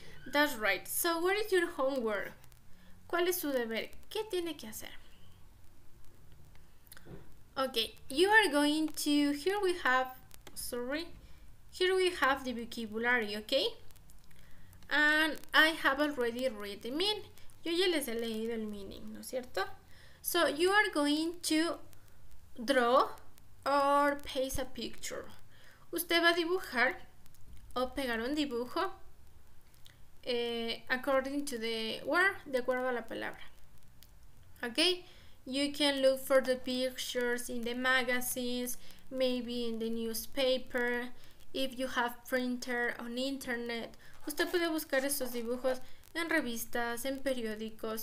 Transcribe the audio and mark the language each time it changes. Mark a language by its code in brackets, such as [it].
[en] That's right. So what is your homework? [es] ¿Cuál es su deber? ¿Qué tiene que hacer? [en] Okay, you are going to, here we have the vocabulary, okay? And I have already read the meaning. [es] Yo ya les he leído el meaning, ¿no es cierto? [en] So you are going to draw or paste a picture. [es] Usted va a dibujar o pegar un dibujo [en] according to the word, [es] de acuerdo a la palabra. Okay? [en] You can look for the pictures in the magazines, maybe in the newspaper, if you have printer on internet. [es] Usted puede buscar esos dibujos en revistas, en periódicos.